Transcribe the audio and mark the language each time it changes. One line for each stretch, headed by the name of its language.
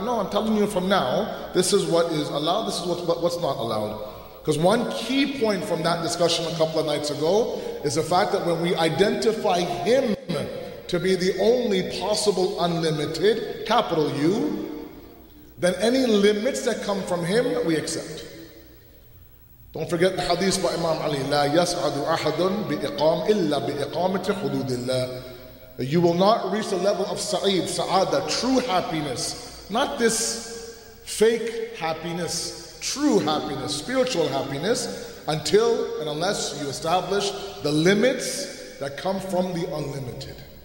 English: No, I'm telling you from now, this is what is allowed, this is what's not allowed. Because one key point from that discussion a couple of nights ago is the fact that when we identify Him to be the only possible unlimited, capital U, then any limits that come from Him, we accept. Don't forget the hadith by Imam Ali,
Arabic: لا يسعد أحد بإقام إلا بإقامة حدود الله.
English: You will not reach the level of سعيد, سعادة, true happiness. Not this fake happiness, true happiness, spiritual happiness, until and unless you establish the limits that come from the unlimited.